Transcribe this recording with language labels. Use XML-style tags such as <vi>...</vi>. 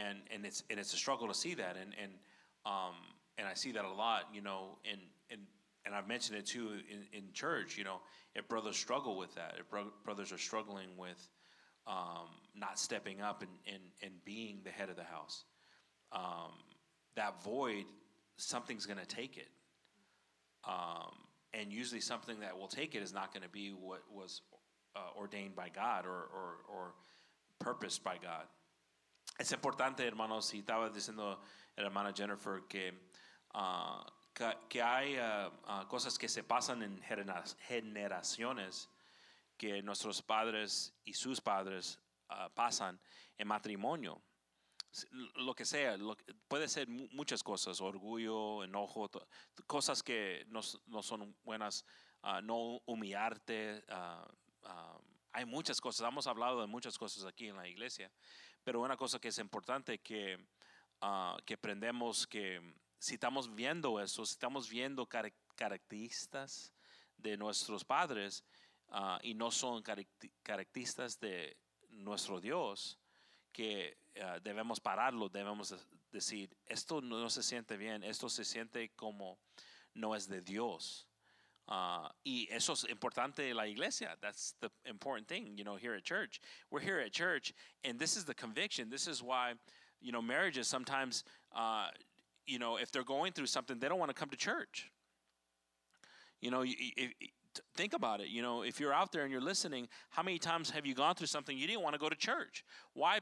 <en>And it's a struggle to see that. And I see that a lot, you know, and I've mentioned it too in church, you know, if brothers struggle with that, if brothers are struggling with not stepping up and being the head of the house, that void, something's going to take it. And usually something that will take it is not going to be what was ordained by God or purposed by God.</en> <es>Es importante, hermanos, y estaba diciendo hermana Jennifer que hay cosas que se pasan en generaciones que nuestros padres y sus padres pasan en matrimonio. Lo que sea, puede ser muchas cosas, orgullo, enojo, cosas que no son buenas, no humillarte. Hay muchas cosas, hemos hablado de muchas cosas aquí en la iglesia, pero una cosa que es importante que aprendemos que, si estamos viendo eso, si estamos viendo características de nuestros padres y no son características de nuestro Dios, que debemos pararlo, debemos decir, esto no se siente bien, esto se siente como no es de Dios. Y eso es importante en la iglesia.</es> <en>That's the important thing, you know, here at church. We're here at church, and this is the conviction. This is why, you know, marriages sometimes... you know, if they're going through something, they don't want to come to church. You know, think about it. You know, if you're out there and you're listening, how many times have you gone through something you didn't want to go to church? Why?</en>